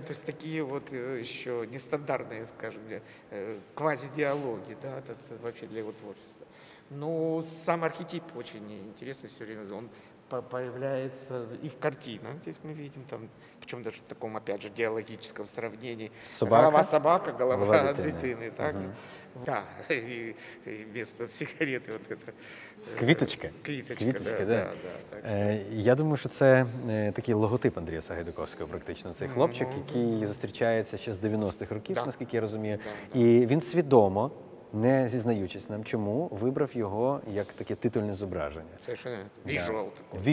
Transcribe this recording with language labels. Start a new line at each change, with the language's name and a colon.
Russian: То есть
Ukrainian: такі
Russian: вот
Ukrainian: ще нестандартні, скажімо, квазі-діалоги, да, це
Russian: вообще
Ukrainian: для його
Russian: творчества. Ну, сам архетип очень интересный все время. Он появляется и в картинах. Здесь мы видим там, причем даже в таком, опять же, диалогическом сравнении. Собака?
Ukrainian: Голова собака, голова дитини, так? Угу.
Russian: Да, и вместо сигареты вот это.
Ukrainian: Квіточка. Квіточка, да. Я думаю, що це такий логотип Андрія Сагайдаковського практично. Цей хлопчик, який зустрічається ще з 90-х років, наскільки я розумію. І він свідомо, не зізнаючись нам, чому вибрав його як таке титульне зображення. Це ж віжуал такий.